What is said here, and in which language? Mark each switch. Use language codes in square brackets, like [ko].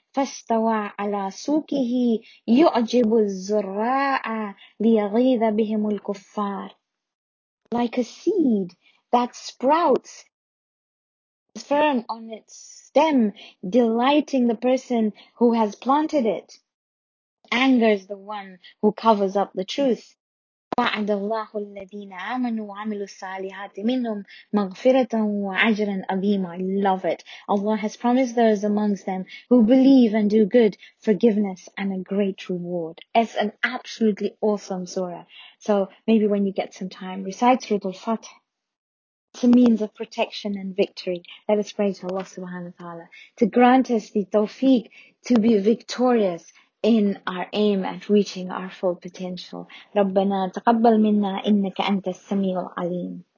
[ar] فاستوى على سوقه يعجب الزراع ليغيظ بهم الكفار. [en] Like a seed that sprouts firm on its stem, delighting the person who has planted it, angers the one who covers up the truth. [ar] وعد الله الذين آمنوا وعملوا الصالحات منهم مغفرة وأجرا عظيما. [en] I love it. Allah has promised those amongst them who believe and do good forgiveness and a great reward. It's an absolutely awesome surah. So maybe when you get some time, recite Surah Al-Fatih. It's a means of protection and victory. Let us pray to Allah subhanahu wa ta'ala to grant us the tawfiq to be victorious in our aim at reaching our full potential. [ar] ربنا تقبل منا إنك أنت السميع العليم.